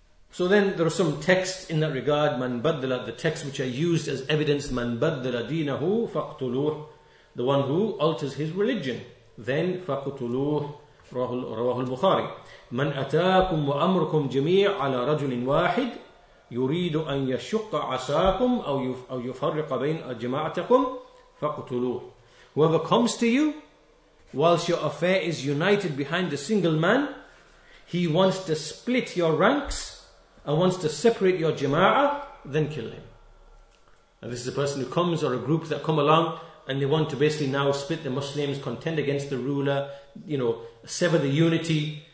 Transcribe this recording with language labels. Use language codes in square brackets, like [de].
[en] So then there are some texts in that regard, man baddala, the texts which are used as evidence, [ar] man baddala deenahu faqtuluh, [en] the one who alters his religion, then faqtuluh, [ar] رواه البخاري من أتاكم وأمركم جميع على رجل واحد يريد أن يشق عساكم أو يفرق بين جماعتكم فاقتلوه. [en] Whoever comes to you whilst your affair is united behind a single man, he wants to split your ranks and wants to separate your jama'ah, then kill him. And this is a person who comes, or a group that come along, and they want to basically now split the Muslims, contend against the ruler, you know, sever the unity.